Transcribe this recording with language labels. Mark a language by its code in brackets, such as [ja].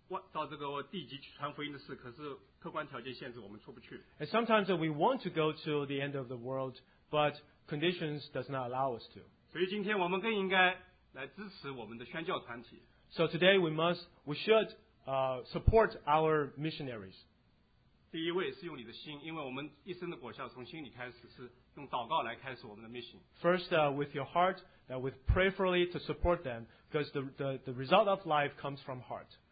[zh] 很多时候我们自己有心无力，我们想去做这个到这个地级去传福音的事，可是。 [en] And sometimes we want to go to the end of the world, but conditions does not allow us to. So today we should support our missionaries. [zh] 第一位是用你的心，因为我们一生的果效从心里开始，是用祷告来开始我们的mission. [en] First, with your heart, with prayerfully to support them, because the result of life comes from heart.